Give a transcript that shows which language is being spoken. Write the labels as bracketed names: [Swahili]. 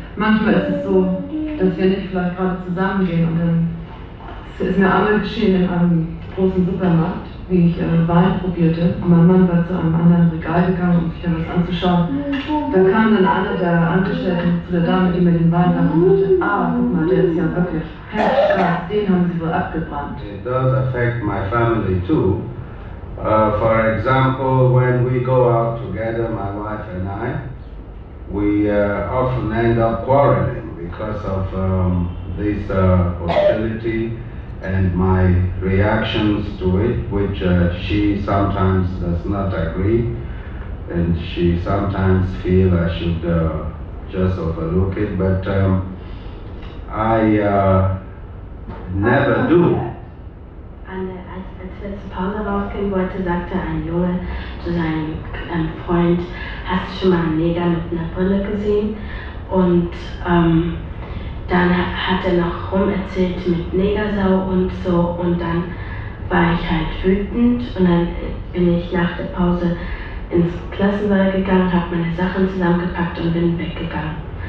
[German] Manchmal ist es so, dass wir nicht vielleicht gerade zusammengehen und dann ist mir einmal geschehen in einem großen Supermarkt, wie ich Wein probierte und mein Mann war zu einem anderen Regal gegangen, um sich da was anzuschauen. Da kam dann einer der Angestellten zu der Dame, die mir den Wein gab und sagte, ah, guck mal, der ist ja wirklich herrschbar, den haben sie wohl abgebrannt. [English] It does affect my family too. For example, when we go out together, my wife and I, we often end up quarreling because of this hostility and my reactions to it, which she sometimes does not agree, and she sometimes feels I should just overlook it, but I never do. [German] Als wir zur Pause rausgehen wollte, sagte ein Junge zu seinem Freund, hast du schon mal einen Neger mit einer Brille gesehen? Und dann hat er noch rumerzählt mit Negersau und so. Und dann war ich halt wütend. Und dann bin ich nach der Pause ins Klassensaal gegangen, habe meine Sachen zusammengepackt und bin weggegangen.